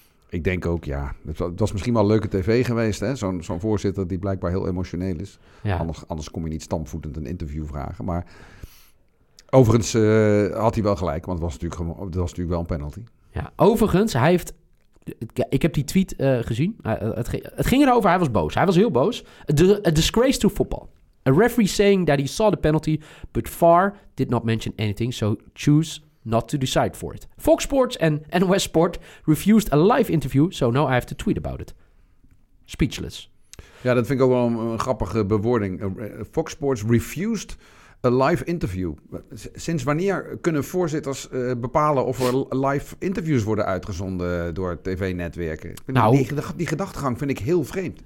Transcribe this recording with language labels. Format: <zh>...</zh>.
<nl>Ik denk ook, ja, het was misschien wel een leuke tv geweest, hè? Zo'n voorzitter die blijkbaar heel emotioneel is. Ja. Anders kom je niet stampvoetend een interview vragen. Maar overigens had hij wel gelijk, want het was natuurlijk wel een penalty. Ja, overigens, hij heeft... Ik heb die tweet gezien. Het ging erover, hij was boos. Hij was heel boos.</nl> <en>A disgrace to football. A referee saying that he saw the penalty, but VAR did not mention anything, so choose... not to decide for it. Fox Sports and NOS Sport refused a live interview, so now I have to tweet about it. Speechless.</en> <nl>Ja, dat vind ik ook wel een grappige bewoording.</nl> <en>Fox Sports refused a live interview.</en> <nl>Sinds wanneer kunnen voorzitters bepalen of er live interviews worden uitgezonden door tv-netwerken? Nou, die gedachtegang vind ik heel vreemd.</nl>